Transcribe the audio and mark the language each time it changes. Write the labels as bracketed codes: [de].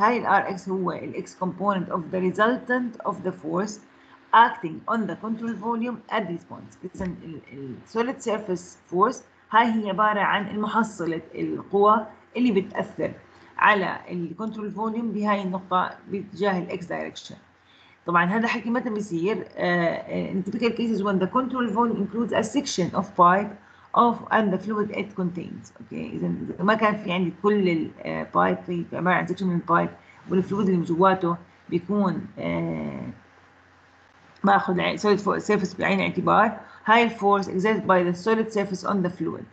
[en] هاي Rx هو ال x component of the resultant of the force acting on the control volume at this point. [ar] إذن ال solid surface force هاي هي عبارة عن المحصلة القوة اللي بتأثر على ال control volume بهاي النقطة باتجاه ال x direction. طبعا هذا حكي متى بيصير [en] in typical cases when the control volume includes a section of pipe of and the fluid it contains. [ar] اوكي اذا ما كان في عندي كل البايب في عباره عن section من البايب والفلويد اللي جواته بيكون باخذ solid surface بعين الاعتبار هاي الفورس [en] exerted by the solid surface on the fluid.